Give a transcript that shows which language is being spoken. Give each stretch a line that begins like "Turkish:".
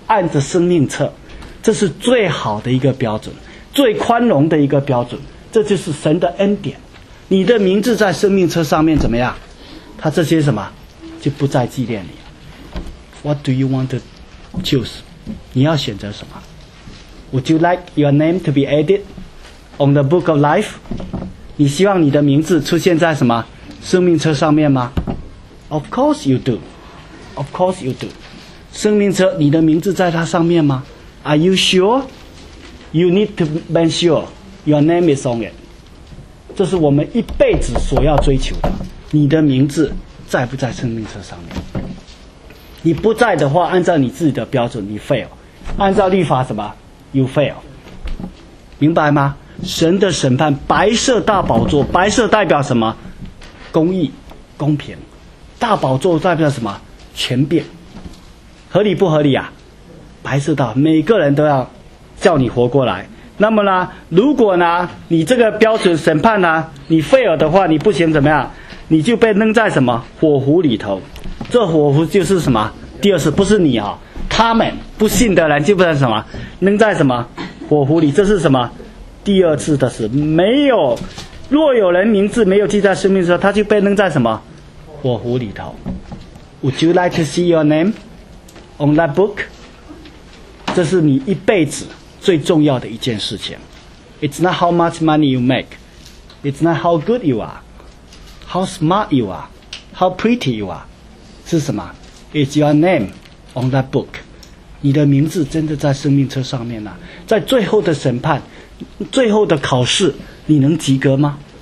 Chinese: 按着生命册，这是最好的一个标准，最宽容的一个标准，这就是神的恩典。你的名字在生命册上面怎么样？他这些什么就不再纪念你了。
English: What do you want to choose？
Chinese: 你要选择什么？
English: Would you like your name to be added on the book of life？
Chinese: 你希望你的名字出现在什么生命册上面吗？
English: Of course you do， Of course you do。
Chinese: 生命册你的名字在它上面吗？
English: Are you sure？ You need to be sure your name is on it。
Chinese: 这是我们一辈子所要追求的，你的名字在不在生命册上面？你不在的话，按照你自己的标准，你 fail； 按照律法什么 ，
English: you fail。
Chinese: 明白吗？神的审判，白色大宝座，白色代表什么？公义、公平。大宝座代表什么？权柄。合理不合理啊？白色大，每个人都要叫你活过来。那么呢，如果呢你这个标准审判呢你废了的话，你不行怎么样，你就被扔在什么火湖里头。这火湖就是什么？第二次不是你啊、哦、他们不信的人就被什么扔在什么火湖里。这是什么？第二次的事。没有，若有人名字没有记在生命册，他就被扔在什么火湖里头。
English: Would you like to see your name on that book？
Chinese: 这是你一辈子最重要的一件事情。
English: It's not how much money you make， It's not how good you are， How smart you are， How pretty you are，
Chinese: 是什么？
English: It's your name on that book。
Chinese: 你的名字真的在生命册上面啊。在最后的审判，最后的考试，你能及格吗？